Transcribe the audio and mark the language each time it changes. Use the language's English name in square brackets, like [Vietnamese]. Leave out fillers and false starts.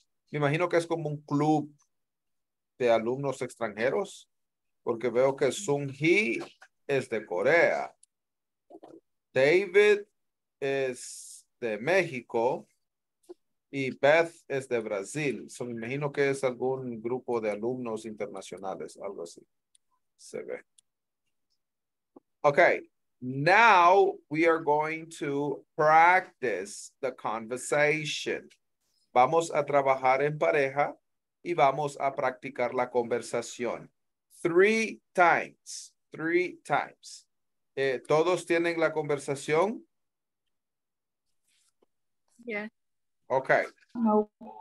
[Spanish] Me imagino que es como un club de alumnos extranjeros, porque veo que Sung Hee es de Corea. David es de México. Y Beth es de Brasil. So, me imagino que es algún grupo de alumnos internacionales, algo así. Se ve. [English] Okay, now we are going to practice the conversation. [Spanish] Vamos a trabajar en pareja y vamos a practicar la conversación. [English] Three times. [Spanish] ¿Todos tienen la conversación? [English] Yeah. Okay. No.